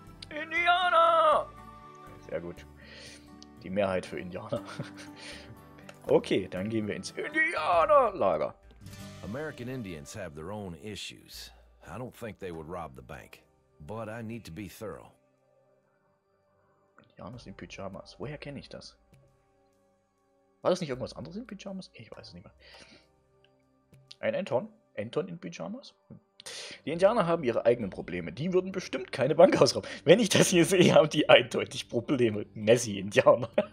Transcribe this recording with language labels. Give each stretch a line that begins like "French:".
German: Indianer! Sehr gut. Die Mehrheit für Indianer. Okay, dann gehen wir ins Indianerlager.
English: American Indians have their own issues. I don't think they would rob the bank. But I need to be thorough.
German: Indianer in Pyjamas. Woher kenne ich das? War das nicht irgendwas anderes in Pyjamas? Ich weiß es nicht mehr. Ein Anton? Anton in Pyjamas? Die Indianer haben ihre eigenen Probleme. Die würden bestimmt keine Bank ausrauben. Wenn ich das hier sehe, haben die eindeutig Probleme. Nessie-Indianer.